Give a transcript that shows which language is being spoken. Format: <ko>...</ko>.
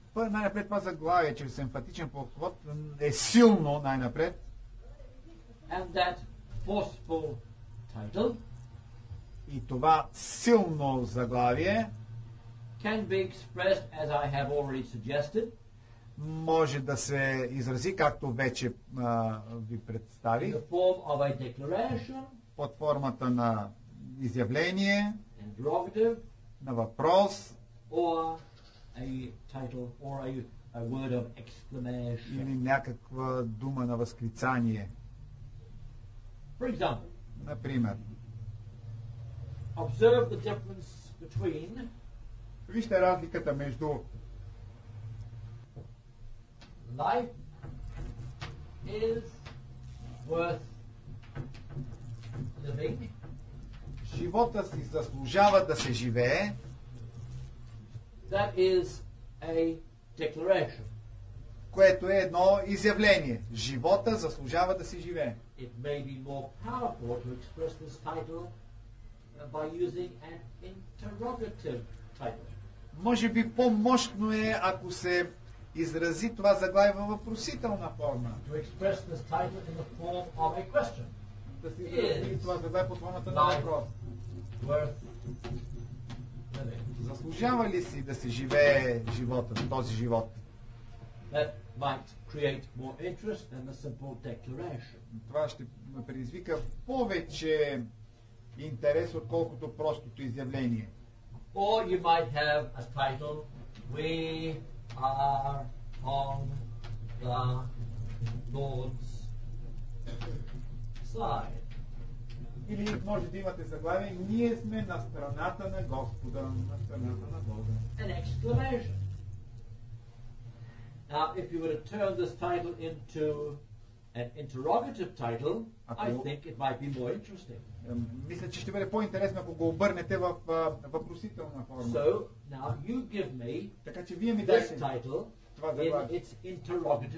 <bg>Най-напред това заглавие, чрез емфатичен подход, е силно най-напред.</bg> <en>And that forceful title.</en> <bg>И това силно заглавие</bg> <en>can be expressed as I have already suggested.</en> <bg>Може да се изрази, както вече ви представих,</bg> <en>in the form of a declaration,</en> <bg>под формата на изявление,</bg> <en>interrogative,</en> <bg>на въпрос,</bg> <en>or a title, or a word of exclamation,</en> <bg>или някаква дума на възклицание.</bg> <en>For example,</en> <bg>например,</bg> <en>observe the difference between,</en> <bg>вижте разликата между</bg> <en>life is worth living.</en> <bg>Живота си заслужава да се живее.</bg> <en>That is a declaration.</en> <bg>Което е едно изявление. Живота заслужава да се живее.</bg> <en>It may be more powerful to express this title by using an interrogative title.</en> <bg>Може би по-мощно е, ако се изрази това заглавие във въпросителна форма.</bg> <en>To express this title in the form of a question.</en> <bg>Да се изрази това заглавие под формата на въпрос. Заслужава ли си да се живее живота, този живот?</bg> <en>That might create more interest than a simple declaration.</en> <bg>Това ще ме предизвика повече интерес, отколкото простото изявление.</bg> <en>Or you might have a title, we are on the Lord's side.</en> <bg>Или може да имате заглавие, ние сме на страната на Господа, на страната на Бога.</bg> <en>An exclamation. Now, if you were to turn this title into an interrogative title, I think it might be more interesting.</en> <bg>Мисля, че ще бъде по-интересно, ако го обърнете в въпросителна форма.</bg> <en>So, now you give me,</en> <bg>така че вие ми дадете това заглавие</bg> <en>in its interrogative</en>